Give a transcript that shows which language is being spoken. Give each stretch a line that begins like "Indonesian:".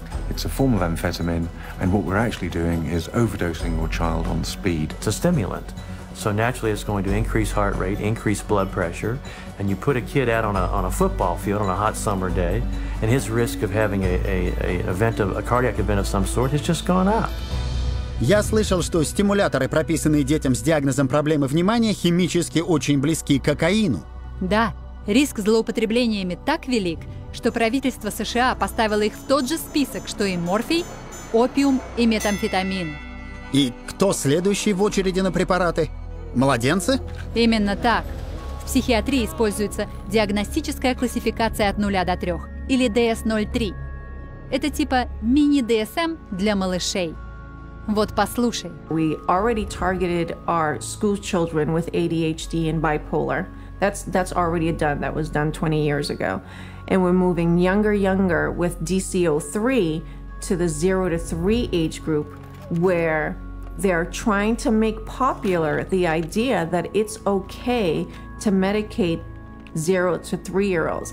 English: It's a form of amphetamine, and what we're actually doing is overdosing your child on speed. It's a stimulant, so naturally it's going to increase heart rate, increase blood pressure, and you put a kid out on a football field on a hot summer day, and his risk of having a cardiac event of some sort has just gone up.
Russian: Я слышал, что стимуляторы, прописанные детям с диагнозом проблемы внимания, химически очень близки к кокаину. Да, риск злоупотреблениями так велик, что правительство США поставило их в тот же список, что и морфий, опиум и метамфетамин. И кто следующий в очереди на препараты? Младенцы? Именно так. В психиатрии используется диагностическая классификация от 0 до 3, или DS-03. Это типа мини-DSM для малышей. Вот послушай.
English: We already targeted our school children with ADHD and bipolar. That's already done. That was done 20 years ago. And we're moving younger with DC-03 to the 0-3 age group, where they're trying to make popular the idea that it's okay to medicate 0-3-year-olds.